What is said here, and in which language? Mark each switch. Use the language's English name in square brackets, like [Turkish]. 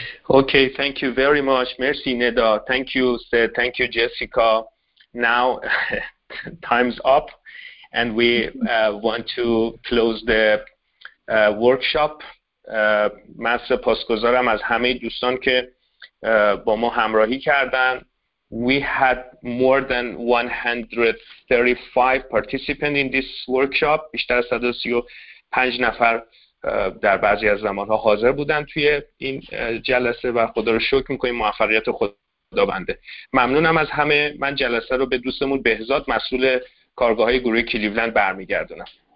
[English] Okay, thank you very much. Merci, Neda. Thank you, Seth. Thank you, Jessica. Now, time's up, and we want to close the workshop. [Persian] من سپاسگزارم از همه دوستان که با ما همراهی کردن. [English] We had more than 135 participants in this workshop. [Persian] بیشتر از 135 نفر در بعضی از زمانها حاضر بودن توی این جلسه، و خدا رو شکر میکنیم موفقیت خدا بنده. ممنونم از همه. من جلسه رو به دوستمون بهزاد، مسئول کارگاه های گروه کلیولند، برمیگردونم.